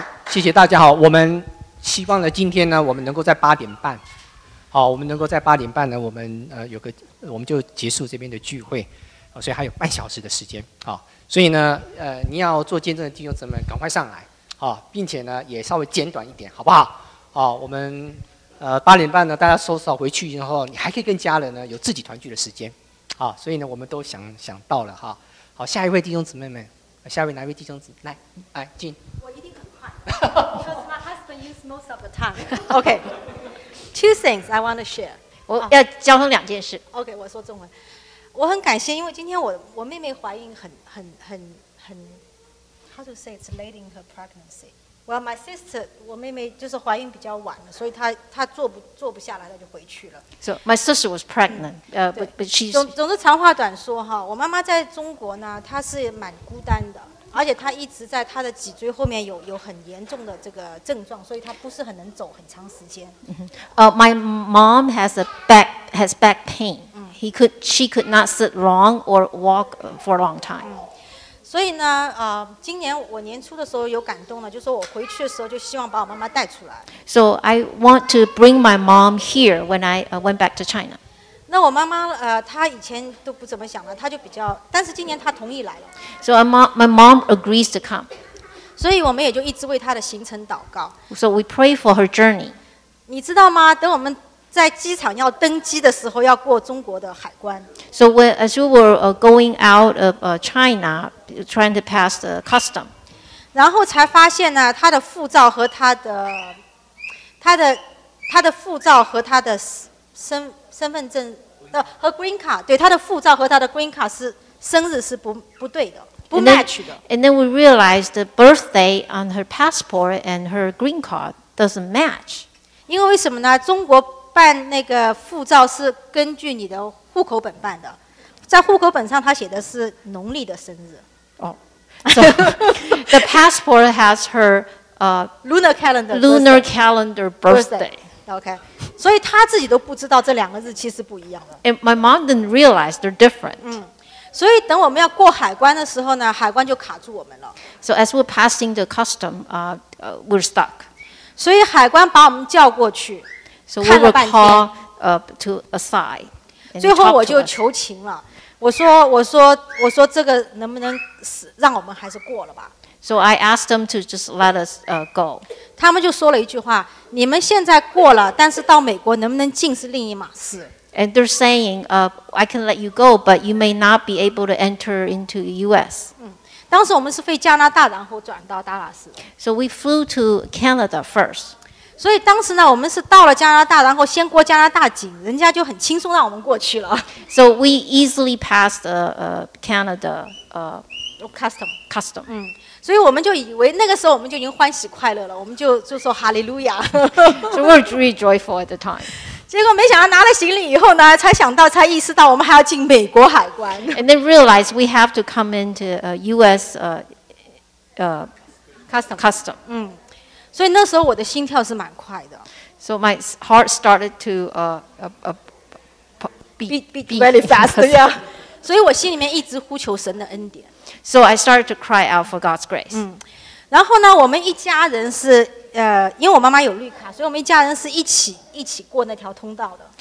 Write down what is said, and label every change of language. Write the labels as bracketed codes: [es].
[zh] 谢谢大家好，我们希望呢今天呢我们能够在八点半，好，我们能够在八点半呢我们就结束这边的聚会，所以还有半小时的时间，好，所以呢你要做见证的弟兄姊妹赶快上来。并且呢也稍微简短一点好不好，我们八点半呢大家收拾好回去以后，你还可以跟家人呢有自己团聚的时间，所以呢我们都想到了哈。好，下一位弟兄姊妹们，下一位哪位弟兄姊妹，来进，我一定很快 [en] because my husband used most of the time. OK, two things I want to share. [zh] 我要交通两件事。 OK, 我说中文。我很感谢，因为今天我妹妹怀孕很 [en] How to say it's late in her pregnancy? Well, my sister, [zh] 我妹妹就是怀孕比较晚了，所以她坐不下来，她就回去了。 [en] So my sister was pregnant, but she's [zh] 总之长话短说哈，我妈妈在中国呢，她是蛮孤单的，而且她一直在她的脊椎后面有很严重的这个症状，所以她不是很能走很长时间。 [en] My mom has back pain. She could not sit long or walk for a long time. [zh] 所以呢今年我年初的时候有感动了，就是说我回去的时候就希望把我妈妈带出来。 [en] So I want to bring my mom here when I went back to China. [zh] 那我妈妈她以前都不怎么想了，她就比较，但是今年她同意来了。 [en] So my mom agrees to come. [zh] 所以我们也就一直为她的行程祷告。 [en] So we pray for her journey. [zh] 你知道吗？等我们在机场要登机的时候，要过中国的海关。 [en] So when as we were going out of China, trying to pass the custom. [zh] 然后才发现呢，她的护照和她的护照和她的身份证的和 green card， 对，她的护照和她的 green card 是生日是不对的，不 match 的。 [en] And then we realized the birthday on her passport and her green card doesn't match. [zh] 因为什么呢？中国办那个护照是根据你的户口本办的，在户口本上他写的是农历的生日。 [en] So the passport has her lunar calendar birthday. Okay. [zh] 所以他自己都不知道这两个日期是不一样的。 [en] And my mom didn't realize they're different. [zh] 所以等我们要过海关的时候呢，海关就卡住我们了。 [en] So as we're passing the custom, we're stuck. [zh] 所以海关把我们叫过去。 [en] So we were called to aside. [zh] 最后我就求情了。我说这个能不能让我们还是过了吧。 [en] So I asked them to just let us go. [zh] 他们就说了一句话，你们现在过了，但是到美国能不能进是另一码事。 [en] And they're saying, I can let you go, but you may not be able to enter into the US. [zh] 当时我们是飞加拿大，然后转到达拉斯。 [en] So we flew to Canada first. [zh] 所以当时呢，我们是到了加拿大，然后先过加拿大境，人家就很轻松让我们过去了。 [en] So we easily passed Canada custom. [zh] 所以我们就以为那个时候我们就已经欢喜快乐了，我们就说哈利路亚。 [en] So we're really joyful at the time. [zh] 结果没想到拿了行李以后呢，才意识到我们还要进美国海关。 [en] And then realize we have to come into U.S. custom. 嗯， [zh] 所以那时候我的心跳是蛮快的。 [en] So my heart started to beat very fast. Yeah. [zh] 所以我心里面一直呼求神的恩典。 [en] So I started to cry out for God's grace. [zh] 然后呢，我们一家人是因为我妈妈有绿卡，所以我们一家人是一起过那条通道的。